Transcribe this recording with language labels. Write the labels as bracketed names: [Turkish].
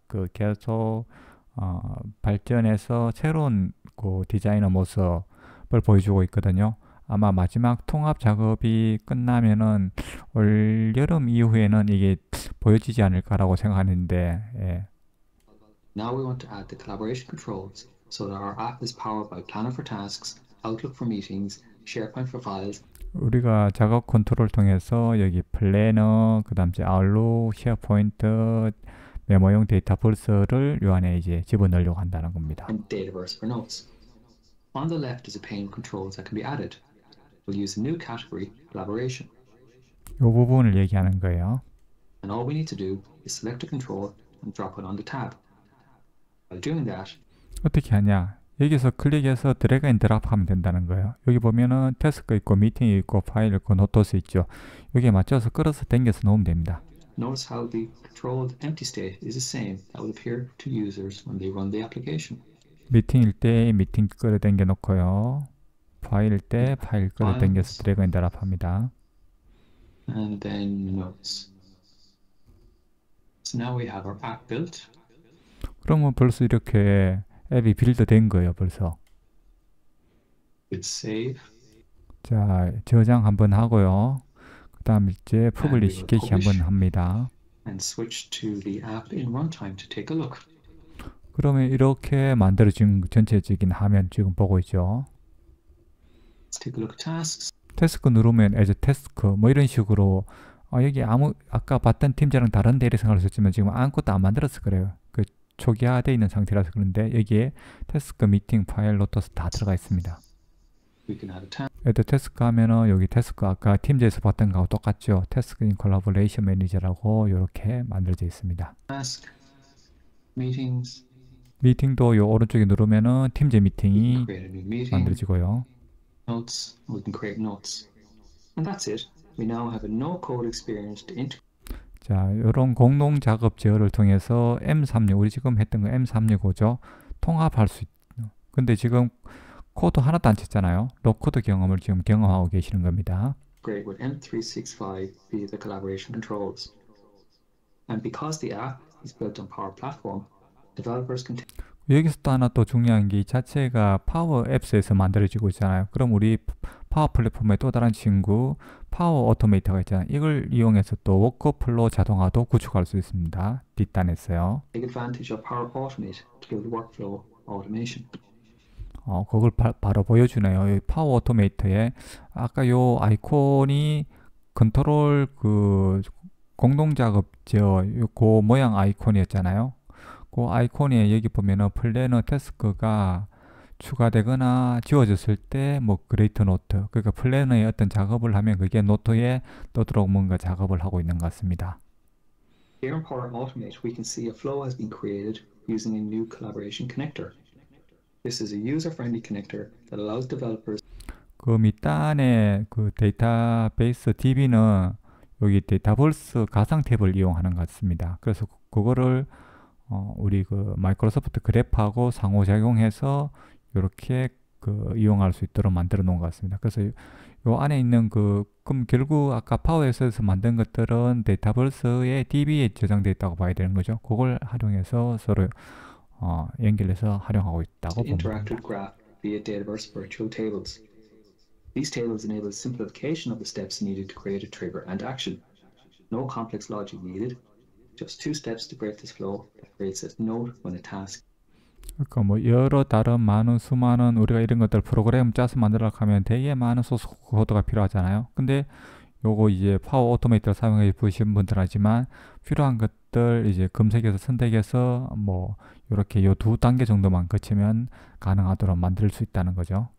[Korean] 그 계속 발전해서 새로운 그 디자이너 모습을 보여주고 있거든요. 아마 마지막 통합 작업이 끝나면은 올 여름 이후에는 이게 보여지지 않을까라고 생각하는데. 예. [English] Now we want to add the collaboration controls so that our app is powered by Planner for Tasks, Outlook for Meetings, SharePoint for Files. [Korean] 우리가 작업 컨트롤을 통해서 여기 플래너, 그다음에 아웃룩, 셰어포인트, 메모용 데이터버스를 요 안에 이제 집어넣으려고 한다는 겁니다. [English] And Dataverse for Notes. On the left is a pane of controls that can be added. We'll use a new category, collaboration. [Korean] 요 부분을 얘기하는 거예요. [English] And all we need to do is select a control and drop it on the tab. While doing that, [Korean] 어떻게 하냐? 여기서 클릭해서 드래그 앤 드랍 하면 된다는 거예요. 여기 보면은 태스크 있고 미팅 있고 파일 있고 노트스 있죠. 여기에 맞춰서 끌어서 당겨서 놓으면 됩니다. [English] Notice how the controlled empty state is the same that will appear to users when they run the application. [Korean] 미팅일 때 미팅 끌어당겨 놓고요. 파일일 때 파일 끌어당겨서 드래그 앤 드랍 합니다. [English] And then notes. So now we have our app built. [Korean] 그러면 벌써 이렇게 앱이 빌드 된 거예요, 벌써. [English] It's safe. [Korean] 자, 저장 한번 하고요. 다음 이제 퍼블리시 캐시 한번 합니다. [English] And switch to the app in runtime to take a look. [Korean] 그러면 이렇게 만들어진 전체적인 화면 지금 보고 있죠. [English] Let's take a look at tasks. [Korean] 태스크 누르면 [English] as a task [Korean] 뭐 이런 식으로 여기 아까 봤던 팀장은 다른 데를 생각했었지만 지금 아무것도 안 만들었어 그래요. 그 초기화되어 있는 상태라서 그런데 여기에 태스크, 미팅, 파일, 노트스 다 들어가 있습니다. [English] Add a task [Korean] 하면은 여기 태스크 아까 팀즈에서 봤던 거하고 똑같죠. [English] Task in Collaboration Manager [Korean] 라고 이렇게 만들어져 있습니다. [English] Task, meetings. [Korean] 미팅도 요 오른쪽에 누르면은 팀즈 미팅이 [English] meeting. [Korean] 만들어지고요. [English] Notes, we can create notes. And that's it. We now have a no-code experience to integrate. [Korean] 자, 이런 공동 작업 제어를 통해서 M365, 우리 지금 했던 거 M365죠. 통합할 수 있는. 근데 지금 코드 하나도 안 쳤잖아요. 노코드 경험을 지금 경험하고 계시는 겁니다. [English] Great, would M365 be the collaboration controls? And because the app is built on Power Platform, developers can. [Korean] 여기서 또 하나 또 중요한 게 자체가 파워 앱스에서 만들어지고 있잖아요. 그럼 우리 파워 플랫폼의 또 다른 친구 파워 오토메이터가 있잖아요. 이걸 이용해서 또 워크플로 자동화도 구축할 수 있습니다. 뒷단에서요. [English] Take advantage of Power Automate to build workflow automation. [Korean] 그걸 바로 보여주네요. 이 파워 오토메이터에 아까 요 아이콘이 컨트롤 그 공동 작업 저 요 모양 아이콘이었잖아요. 그 아이콘에 여기 보면은 플래너 태스크가 추가되거나 지워졌을 때 뭐 그레이트 노트, 그러니까 플래너에 어떤 작업을 하면 그게 노트에 떠도록 뭔가 작업을 하고 있는 것 같습니다. [English] Here in Power Automate, we can see a flow has been created using a new collaboration connector. This is a user-friendly connector that allows developers. [Korean] 그 밑단에 그 데이터베이스 DB는 여기 데이터버스 가상 탭을 이용하는 것 같습니다. 그래서 그거를 우리 그 마이크로소프트 그래프하고 상호작용해서 이렇게 그 이용할 수 있도록 만들어 놓은 것 같습니다. 그래서 요 안에 있는 그럼 결국 아까 파워에서 만든 것들은 데이터버스의 DB에 저장되어 있다고 봐야 되는 거죠. 그걸 활용해서 서로 연결해서 활용하고 있다고 봅니다. [English] Interactive graph via Dataverse virtual tables. These tables enable simplification of the steps needed to create a trigger and action. No complex logic needed. Just two steps to break this flow that creates a node when a task. [Korean] 그러니까 뭐 여러 다른 많은 수많은 우리가 이런 것들 프로그램 짜서 만들어 가면 되게 많은 소스 코드가 필요하잖아요. 근데 요거 이제 파워 오토메이터를 사용해 보신 분들 하지만 필요한 것들 이제 검색해서 선택해서 뭐 이렇게 요 두 단계 정도만 거치면 가능하도록 만들 수 있다는 거죠.